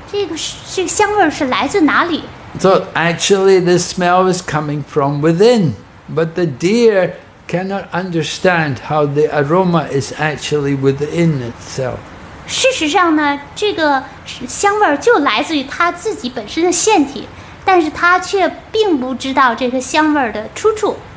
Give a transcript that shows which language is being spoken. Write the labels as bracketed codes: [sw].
[zh] 强烈浓烈的这个麝香的味道，他就纳闷儿，这个香味是来自哪里？ [en] So actually, the smell is coming from within, but the deer cannot understand how the aroma is actually within itself. [zh] 事实上呢，这个香味就来自于它自己本身的腺体，但是它却并不知道这个香味的出处。